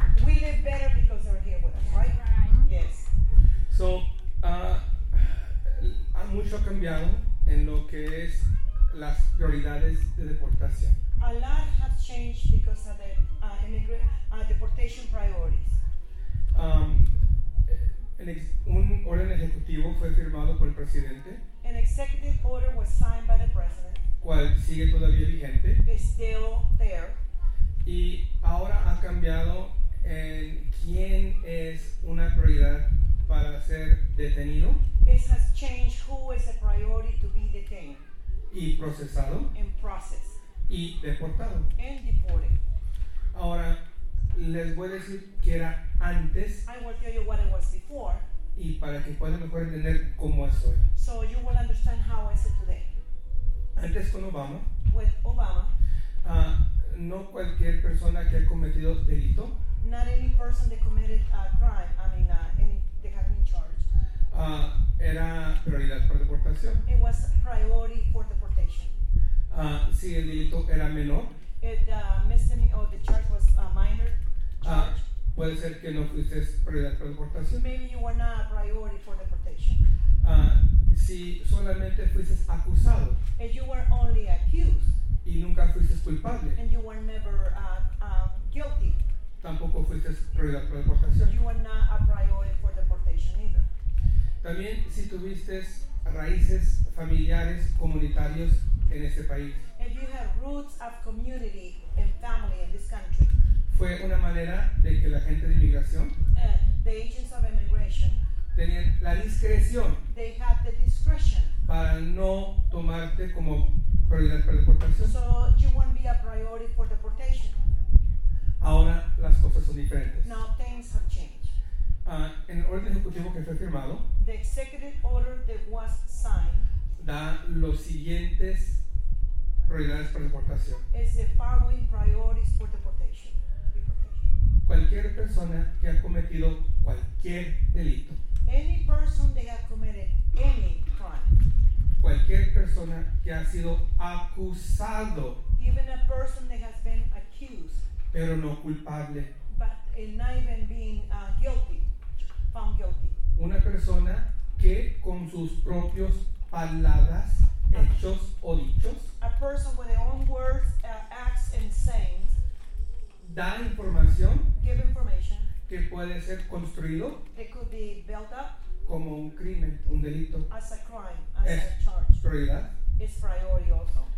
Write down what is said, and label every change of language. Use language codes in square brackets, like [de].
[en] We live better because they're here with us, right? Right. Yes. [es] So, mucho ha cambiado en lo que es las prioridades de deportación. [en] A lot has changed because of the deportation priorities. [es] Un orden ejecutivo fue firmado por el presidente. [en] An executive order was signed by the president. [es] ¿Cuál sigue todavía vigente? [en] It's still there. [es] Y ahora ha cambiado en quién es una prioridad para ser detenido. [en] This has changed who is a priority to be detained. [es] Y procesado. [en] And processed. [es] Y deportado. [en] And deported. [es] Ahora, les voy a decir que era antes. [en] I will tell you what it was before. [es] Y para que puedan mejor entender cómo es hoy. [en] So you will understand how is it today. [es] Antes con Obama. [en] With Obama. [es] No cualquier persona que ha cometido delito. [en] Not any person that committed a crime. I mean, any that had been charged. [es] Era prioridad para deportación. [en] It was priority for deportation. [es] Si el delito era menor. [en] If the misdemeanor or the charge was a minor charge. [es] Puede ser que no fuiste prioridad para deportación. [en] Maybe you were not a priority for deportation. [es] Si solamente fuiste acusado. [en] If you were only accused. [es] Y nunca fuiste culpable. [en] And you were never guilty. [es] Tampoco fuiste prioridad para deportación. [en] You were not a priority for deportation either. [es] También si tuviste raíces familiares comunitarios en este país. [en] If you have roots of community and family in this country. [es] Fue una manera de que la gente de inmigración. [en] The agents of immigration. [es] Tenían la discreción. [en] They had the discretion. [es] Para no tomarte como prioridad para deportación. [en] So you won't be a priority for deportation. [es] Ahora las cosas son diferentes. [en] Now things have changed. [es] En el orden ejecutivo que fue firmado. [en] The executive order that was signed. [es] Da los siguientes prioridades para deportación. [en] Is the following priorities for deportation. [es] Cualquier persona que ha cometido cualquier delito. [en] Any person that has committed any crime. [es] Cualquier persona que ha sido acusado. [en] Even a person that has been accused. [es] Pero no culpable. [en] But not even being guilty. Found guilty. [es] Una persona que con sus propios palabras, hechos o dichos. [en] A person with their own words, acts and sayings. [es] Da información. [en] Give information. [es] Que puede ser construido. [en] It could be built up. [es] Como un crimen, un delito. [en] As a crime, as es a charge. [es] Prioridad. [en] Is priority also.